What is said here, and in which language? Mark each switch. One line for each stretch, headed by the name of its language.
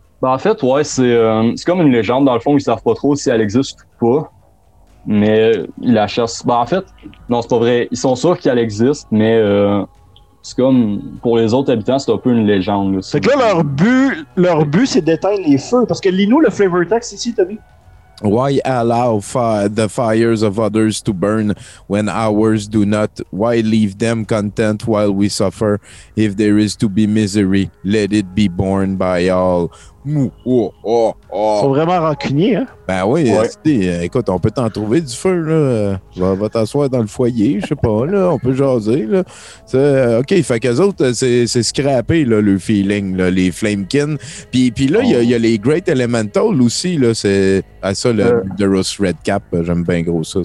French: Ben, en fait, ouais, c'est comme une légende. Dans le fond, ils savent pas trop si elle existe ou pas. Mais ils la chassent. Ben, en fait, non, c'est pas vrai. Ils sont sûrs qu'elle existe, mais c'est comme pour les autres habitants, c'est un peu une légende. Là, fait que là, leur but, c'est d'éteindre les feux. Parce que lis-nous le flavor text ici, Tommy.
English: Why allow the fires of others to burn when ours do not? Why leave them content while we suffer? If there is to be misery, let it be borne by all.
French: Faut vraiment rancunier, hein? Ben oui, ouais. Écoute, on peut t'en trouver du feu, là. Va t'asseoir dans le foyer, je sais pas, là. On peut jaser, là. C'est, OK, fait qu'eux autres, c'est scrappé, là, le feeling, là, les Flamekins. Puis là, il y a les Great Elemental aussi, là. C'est à ça, le Murderous Red Cap. J'aime bien gros ça.